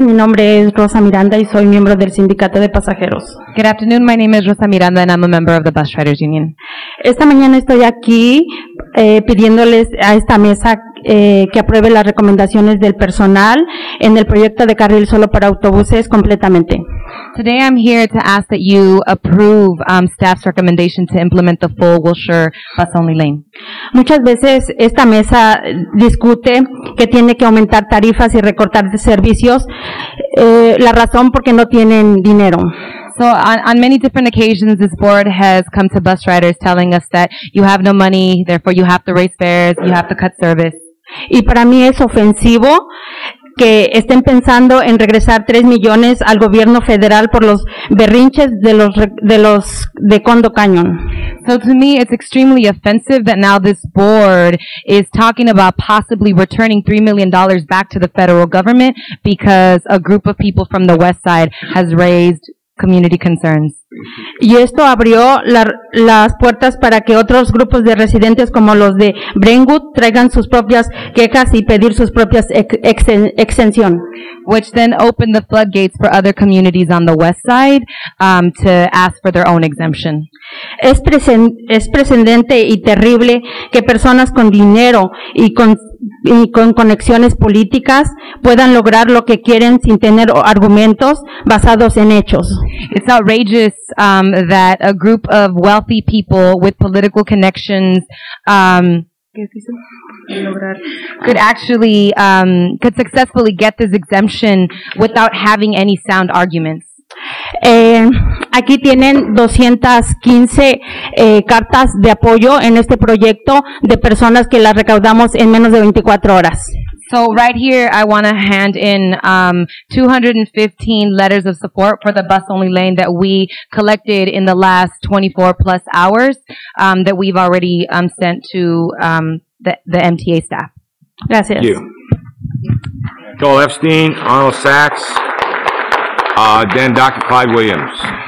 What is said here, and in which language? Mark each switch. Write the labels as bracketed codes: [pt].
[es] Mi nombre es Rosa Miranda y soy miembro del Sindicato de Pasajeros. [en] Good afternoon. My name is Rosa Miranda and I'm a member of the Bus Riders Union. [es] Esta mañana estoy aquí pidiéndoles a esta mesa que apruebe las recomendaciones del personal en el proyecto de carril solo para autobuses completamente. [en] Today I'm here to ask that you approve staff's recommendation to implement the full Wilshire bus only lane. [es] Muchas veces esta mesa discute que tiene que aumentar tarifas y recortar servicios, la razón porque no tienen dinero. [en] So on many different occasions, this board has come to bus riders telling us that you have no money, therefore you have to raise fares, you have to cut service. [es] Y para mí es ofensivo que estén pensando en regresar 3 millones al gobierno federal por los berrinches de Condo Canyon. [en] So to me, it's extremely offensive that now this board is talking about possibly returning $3 million back to the federal government because a group of people from the west side has raised community concerns. [es] Y esto abrió las puertas para que otros grupos de residentes como los de Brentwood traigan sus propias quejas y pedir sus propias exención. [en] Which then opened the floodgates for other communities on the west side to ask for their own exemption. [es] Es precedente y terrible que personas con dinero y con conexiones políticas puedan lograr lo que quieren sin tener argumentos basados en hechos. [en] It's outrageous that a group of wealthy people with political connections could successfully get this exemption without having any sound arguments. [es] Aquí tienen 215 cartas de apoyo en este proyecto de personas que las recaudamos en menos de 24 horas. [en] So right here, I want to hand in 215 letters of support for the bus-only lane that we collected in the last 24-plus hours that we've already sent to the MTA staff. [es] Gracias. [en] Thank you. Joel Epstein, Arnold Sachs, then Dr. Clyde Williams.